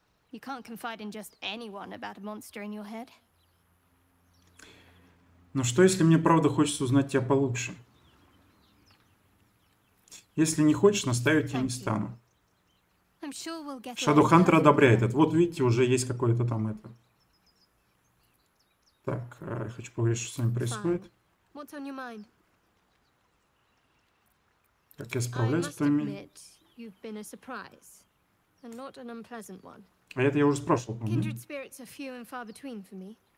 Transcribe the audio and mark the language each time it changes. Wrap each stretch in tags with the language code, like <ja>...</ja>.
<en>You can't confide in just anyone about a monster in your head.</en> <ru>Но что, если мне правда хочется узнать тебя получше? Если не хочешь, настаивать я не стану. Shadowhunter одобряет это. Вот видите, уже есть какое-то там это. Так, я хочу поговорить, что с вами происходит.</ru> <en>What's on your mind?</en> <ru>Как я справляюсь с твоими...</ru> <en>You've been a surprise, and not an unpleasant one.</en> <ru>А это я уже спрашивал.</ru> <en>Kindred spirits are few and far between for me.</en>